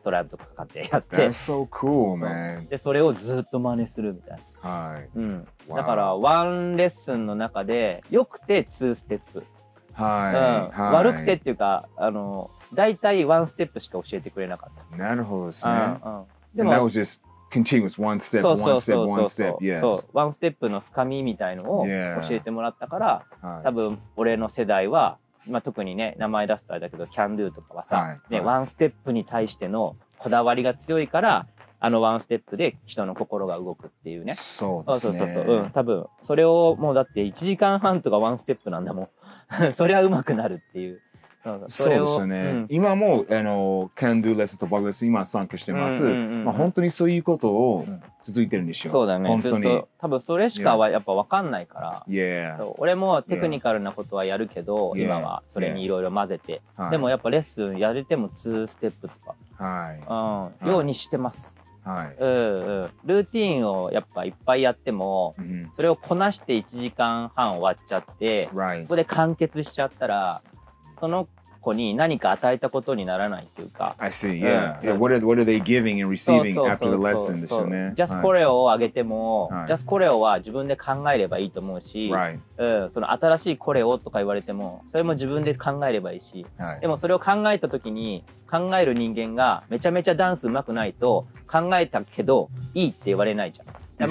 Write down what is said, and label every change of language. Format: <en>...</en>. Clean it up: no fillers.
<ja>トライブとかかかってやって、</ja> <en>That's so cool, man.</en> <ja>でそれをずっと真似するみたいな、はい、うん、wow. だからワンレッスンの中でよくて2ステップ、はい、うん、はい、悪くてっていうかあのだいたい1ステップしか教えてくれなかった。なるほどですね。うんうん、でも、</ja> <en>And、that was just continuous one step, one step, one step.</en> <ja>そう、1ステップの深みみたいのを教えてもらったから、</ja> <en>yeah.</en> <ja>多分俺の世代は、まあ、特にね、名前出すとあれだけど、Can Do とかはさ、はい、ね、1ステップに対してのこだわりが強いから、あの1ステップで人の心が動くっていうね。そうですね。そうそうそう。うん、多分、それをもうだって1時間半とか1ステップなんだもん。そりゃ上手くなるっていう。そうですよね、うん、今もあの Can Do レッスンとバグレッスン今参加してます、うんうんうん、まあ、本当にそういうことを続いてるんでしょう、うん、そうだね、本当に多分それしかはやっぱ分かんないから、</ja> <en>yeah.</en> <ja>俺もテクニカルなことはやるけど、yeah. 今はそれにいろいろ混ぜて、</ja> <en>yeah.</en> <ja>でもやっぱレッスンやれても2ステップとか、はい、うん、ようにしてます、はい、うんうん、ルーティーンをやっぱいっぱいやっても、うん、それをこなして1時間半終わっちゃって、</ja> <en>right.</en> <ja>ここで完結しちゃったらその子に何か与えたことにならないっていうか。</ja> <en>I see, yeah. yeah. What are they giving and receiving after the lesson</en> <ja>でしょうね。ジャスコレオをあげても、はい、ジャスコレオは自分で考えればいいと思うし、はい、うん、その新しいコレオとか言われても、それも自分で考えればいいし、はい、でもそれを考えたときに、考える人間がめちゃめちゃダンス上手くないと、考えたけどいいって言われないじゃん。</ja>